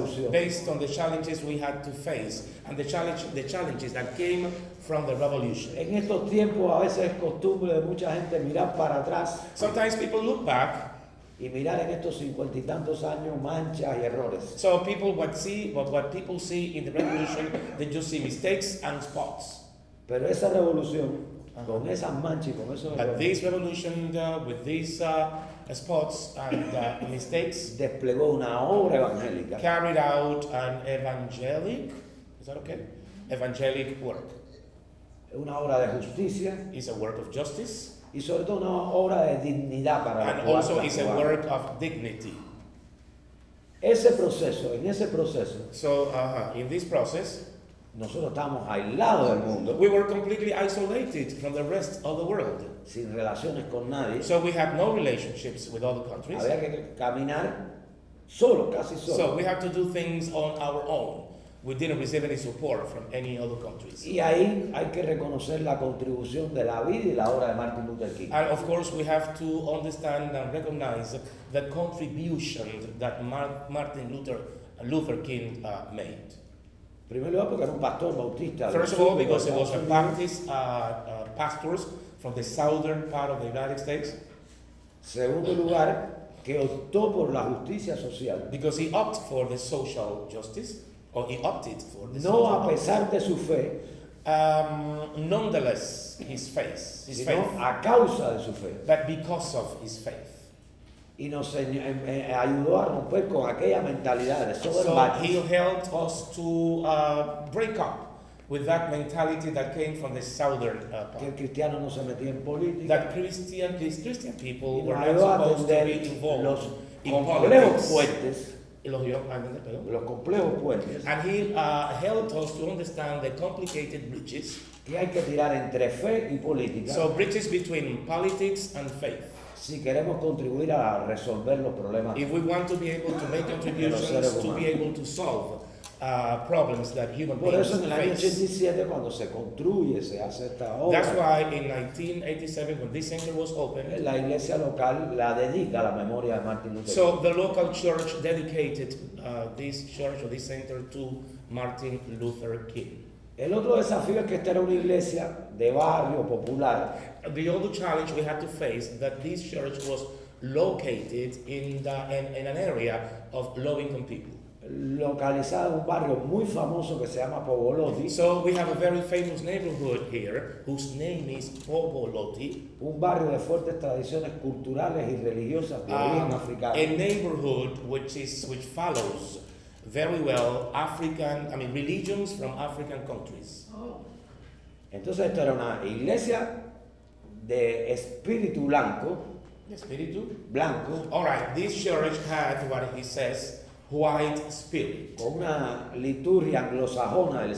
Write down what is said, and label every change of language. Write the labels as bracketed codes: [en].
[en] Based on the challenges we had to face and the challenges that came from the revolution. [es] En estos tiempos a veces es costumbre de mucha gente mirar para atrás. [en] Sometimes people look back. [es] Y mirar en estos 50 y tantos años manchas y errores. [en] So people what people see in the revolution, they just see mistakes and spots. [es] Pero esa revolución, con esas manchas y con esos errores. [en] But this revolution with these spots and mistakes. [es] Desplegó una obra evangélica. [en] Carried out an evangelic, is that okay? Evangelic work. [es] Una obra de justicia. [en] It's a work of justice. [es] Y sobre todo una obra de dignidad para [en] and also it's a work of dignity. [es] En ese proceso. [en] So in this process, [es] nosotros estábamos aislados del mundo. [en] We were completely isolated from the rest of the world. [es] Sin relaciones con nadie. [en] So we had no relationships with other countries. [es] Había que caminar solo, casi solo. [en] So we had to do things on our own. We didn't receive any support from any other countries. [es] Y ahí hay que reconocer la contribución de la vida y la obra de Martin Luther King. [en] And of course we have to understand and recognize the contribution that Martin Luther King made. [es] Primero porque era un pastor bautista. [en] First of all, because he was a Baptist pastor from the southern part of the United States. [es] Segundo lugar, que optó por la justicia social. [en] Because he opted for the social justice. Or he opted for this. [es] No, a pesar de su fe. [en] Nonetheless, his faith. [es] A causa de su fe. [en] But because of his faith. [es] Y nos ayudó a romper con aquella mentalidad de sobre [en] so he helped us to break up with that mentality that came from the southern part. [es] Que el cristiano no se metía en política. [en] That Christian people were not supposed to be involved [es] los [en] in politics. [es] Fuertes. Los complejos puentes. [en] And he helped us to understand the complicated bridges. [es] Que hay que tirar entre fe y política. [en] So bridges between politics and faith. [es] Si queremos contribuir a resolver los problemas. [en] If we want to be able to make contributions to be able to solve problems that human [es] por [en] beings [es] eso en el [en] face. [es] 1987, cuando se construye, se hace esta obra. [en] That's why in 1987 when this center was opened, [es] la iglesia local la dedica a la memoria de Martin Luther King. [en] So the local church dedicated this church or this center to Martin Luther King. [es] El otro desafío es que esta era una iglesia de barrio popular. [en] The other challenge we had to face that this church was located in an area of low income people. [es] Localizado en un barrio muy famoso que se llama Pobolotti. [en] So we have a very famous neighborhood here whose name is Pobolotti. [es] Un barrio de fuertes tradiciones culturales y religiosas de origen africano. [en] A neighborhood which follows very well religions from African countries. [es] Entonces esto era una iglesia de espíritu blanco. Espíritu blanco. [en] All right, this church had what he says. White Spirit. [es] Con una liturgia anglosajona del